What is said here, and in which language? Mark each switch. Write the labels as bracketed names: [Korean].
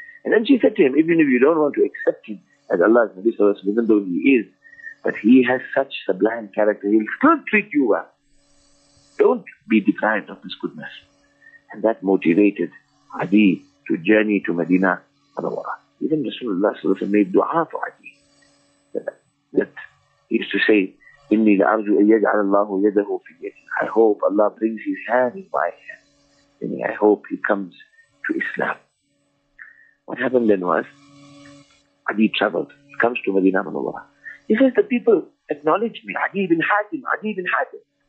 [English] And then she said to him, even if you don't want to accept him as Allah's Nabi Sallallahu Alaihi Wasallam, even though he is, but he has such sublime character, he'll still treat you well. Don't be deprived of his goodness. And that motivated Ali to journey to Medina Munawwara. Even Rasulullah Sallallahu Alaihi Wasallam made dua for Ali. That he used to say, [Arabic] إِنِّي لَأَرْجُ أَيَّجْعَلَ اللَّهُ يَدَهُ فِي يَدِي. [English] I hope Allah brings his hand in my hand. Meaning, I hope he comes to Islam. What happened then was, Ali traveled. He comes to Medina Munawwara. He says, the people acknowledge me. Ali ibn Hatim, Ali ibn Hatim.